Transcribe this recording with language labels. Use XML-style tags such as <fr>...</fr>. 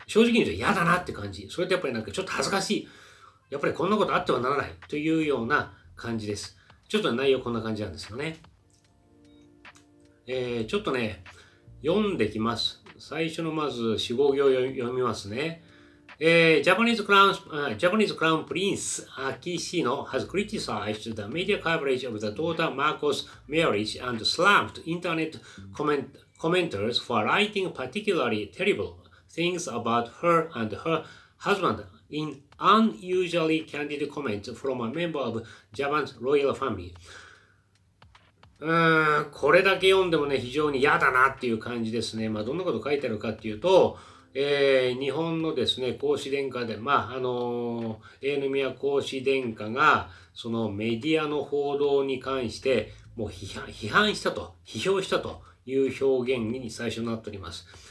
<ja>正直に言うと嫌だなって感じ。それってやっぱりなんかちょっと恥ずかしい、やっぱりこんなことあってはならないというような感じです。ちょっと内容こんな感じなんですよね。ちょっとね読んできます。最初のまず 4,5 行読みますね。</ja> <en>Japanese Crown Prince Akishino has criticized the media coverage of the daughter Marco's marriage and slammed internet commenters for writing particularly terrible things about her and her husband in unusually candid comments from a member of Japan's royal family.</en> <ja>これだけ読んでもね、非常に嫌だなっていう感じですね。どんなこと書いてあるかっていうと、日本のですね孔子殿下で、永宮孔子殿下がそのメディアの報道に関してもう批判したと、批評したという表現に最初になっております。</ja>